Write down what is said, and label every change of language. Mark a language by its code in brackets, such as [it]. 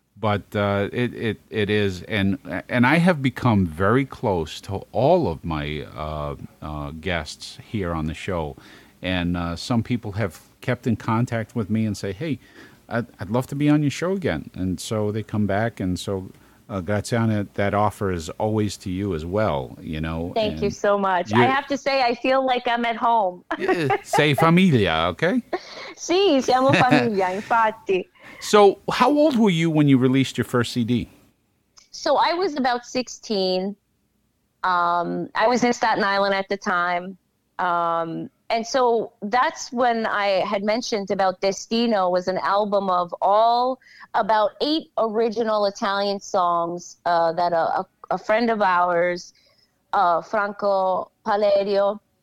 [en] But it is, and I have become very close to all of my guests here on the show, and some people have kept in contact with me and say, hey, I'd love to be on your show again. And so they come back. And so Graziana, that offer is always to you as well. Thank you so much. I have to say, I feel like I'm at home. Say familia, okay? [it] Sì, siamo familia, infatti. [en] So how old were you when you released your first CD? So I was about 16. I was in Staten Island at the time. And so that's when I had mentioned about Destino was an album of all about 8 original Italian songs that a friend of ours, Franco Palladio,